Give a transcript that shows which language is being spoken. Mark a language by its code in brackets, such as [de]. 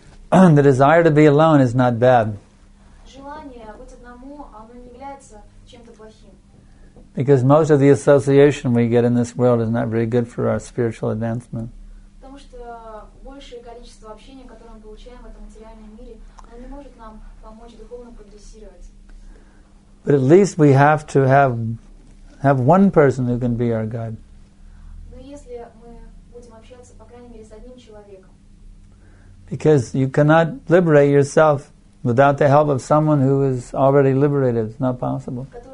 [en] The desire to be alone is not bad. [ru] Желание быть одному, оно не является чем-то плохим. [en] Because most of the association we get in this world is not very good for our spiritual advancement. [ru] Потому что большее количество общения, которое мы получаем в этом материальном мире, оно не может нам помочь духовно прогрессировать. [en] But at least we have to have one person who can be our guide. [ru] Но если мы будем общаться, по крайней мере, с одним человеком. [en] Because you cannot liberate yourself without the help of someone who is already liberated. It's not possible.